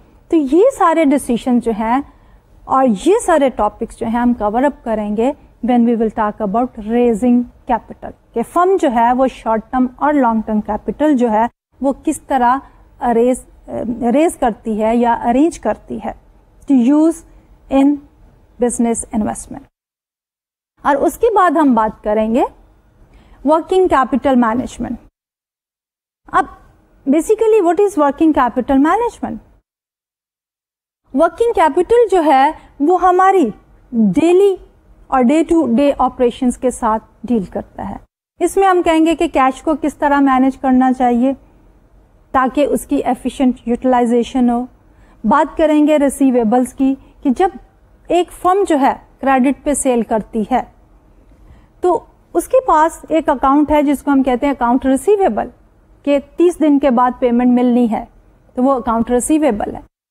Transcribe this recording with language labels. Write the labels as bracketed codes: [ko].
[ur] تو یہ سارے ڈسیشن جو ہیں اور یہ سارے ٹاپکس جو ہیں ہم کور اپ کریں گے [en] when we will talk about raising capital, [ur] کہ فرم جو ہے وہ شارٹ ٹرم اور لانگ ٹرم کیپیٹل جو ہے وہ کس طرح ریز کرتی ہے یا ارینج کرتی ہے [en] To use in business investment. [ur] اور اس کے بعد ہم بات کریں گے working capital management. اب [en] basically what is working capital management? [ur] Working capital جو ہے وہ ہماری daily اور day to day operations کے ساتھ deal کرتا ہے. اس میں ہم کہیں گے کہ cash کو کس طرح manage کرنا چاہیے تاکہ اس کی efficient utilization ہو. بات کریں گے receivables کی, کہ جب ایک firm جو ہے credit پہ sell کرتی ہے تو اس کے پاس ایک اکاؤنٹ ہے جس کو ہم کہتے ہیں اکاؤنٹ ریسیویبل, کہ 30 دن کے بعد پیمنٹ ملنی ہے تو وہ اکاؤنٹ ریسیویبل ہے.